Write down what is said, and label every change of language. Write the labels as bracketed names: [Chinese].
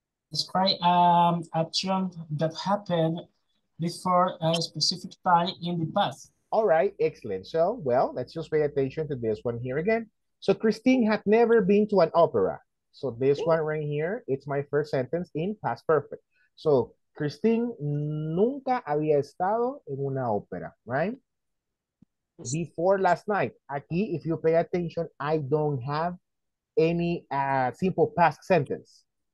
[English] Describe action that happened before a specific time in the past. All right, excellent. So, well, let's just pay attention to this one here again. So Christine had never been to an opera. So this one right here, it's my first sentence in past perfect. [Spanish] So Christine nunca había estado en una ópera, right? [English] Before last night. Aquí, if you pay attention, I don't have any simple past sentence.